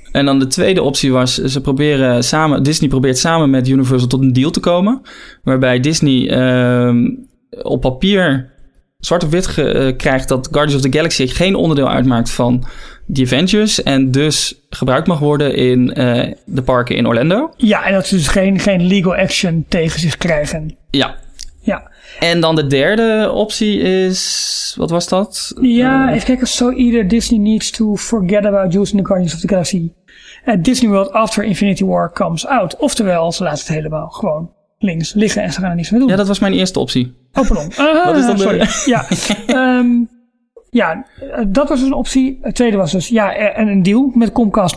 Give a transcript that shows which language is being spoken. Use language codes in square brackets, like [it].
[nl] En dan de tweede optie was, Disney probeert samen met Universal tot een deal te komen, waarbij Disney op papier zwart op wit krijgt dat Guardians of the Galaxy geen onderdeel uitmaakt van The Avengers en dus gebruikt mag worden in de parken in Orlando. Ja, en dat ze dus geen legal action tegen zich krijgen. Ja. Ja. En dan de derde optie is, wat was dat? Ja, even kijken. [en] So either Disney needs to forget about using the Guardians of the Galaxy at Disney World after Infinity War comes out. [nl] Oftewel, ze laten het helemaal gewoon links liggen en ze gaan er niets meer doen. Ja, dat was mijn eerste optie. Oh, pardon. Wat is dat? Sorry. Ja. Ja, dat was dus een optie. Het tweede was dus, ja, een deal met Comcast.